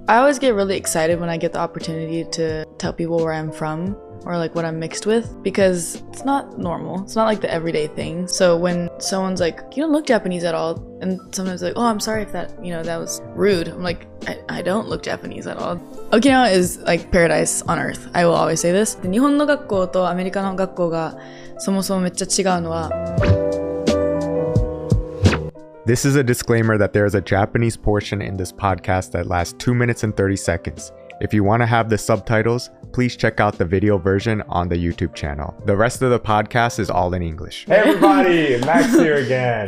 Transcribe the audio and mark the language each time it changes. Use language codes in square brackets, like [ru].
[en] I always get really excited when I get the opportunity to tell people where I'm from or like what I'm mixed with, because it's not normal. It's not like the everyday thing. So when someone's like, "You don't look Japanese at all," and sometimes like, "Oh, I'm sorry if that, you know, that was rude," I'm like, I don't look Japanese at all. Okinawa is like paradise on earth. I will always say this. [ja] 日本の学校とアメリカの学校がそもそもめっちゃ違うのは、 [en] This is a disclaimer that there is a Japanese portion in this podcast that lasts 2 minutes and 30 seconds. If you want to have the subtitles, please check out the video version on the YouTube channel. The rest of the podcast is all in English. Hey everybody, Max here again.